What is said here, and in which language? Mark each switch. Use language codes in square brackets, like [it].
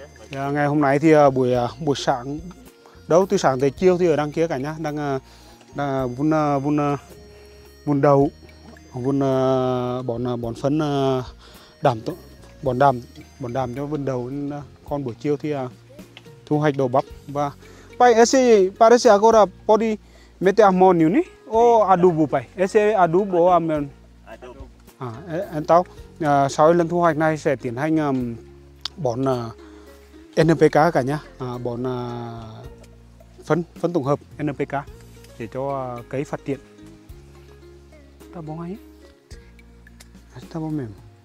[vi] Ngày hôm nay thì buổi sáng đâu, từ sáng tới chiều thì ở đằng kia cả nhá đang vun đầu, vun bón phân đạm, bón đạm cho vun đầu. Còn buổi chiều thì thu hoạch đầu bắp. [pt] Và pai ese parece agora pode meter amônio, né? Ou adubo, pai? Esse é adubo ou amônio? Adubo. [vi] Então, sau lần thu hoạch này sẽ tiến hành bón NPK cả nhá. Bón phân tổng hợp NPK để cho cây phát triển. [pt] Tá bom aí? Tá bom mesmo.